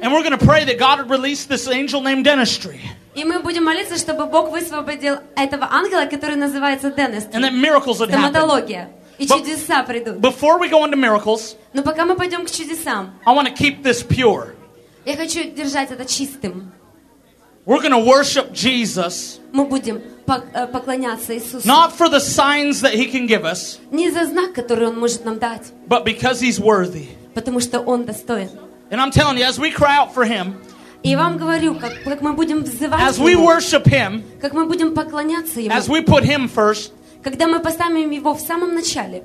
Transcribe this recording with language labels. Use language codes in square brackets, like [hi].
[en] And we're going to pray that God would release this angel named Dentistry. [ru] И мы будем молиться, чтобы Бог высвободил этого ангела, который называется Dentistry. [en] And that miracles would happen. [ru] Стоматология. И чудеса придут. [en] Before we go into miracles, [ru] но пока мы пойдем к чудесам, [en] I want to keep this pure. [ru] Я хочу держать это чистым. [en] We're going to worship Jesus. [ru] Мы будем поклоняться Иисусу. [en] Not for the signs that he can give us. [ru] Не за знак, который он может нам дать. [en] But because he's worthy. [ru] Потому что он достоин. [en] And I'm telling you, as we cry out for him, [ru] и вам говорю, как мы будем взывать [en] as we worship him, [ru] как мы будем поклоняться ему, [en] as we put him first, [ru] когда мы поставим его в самом начале,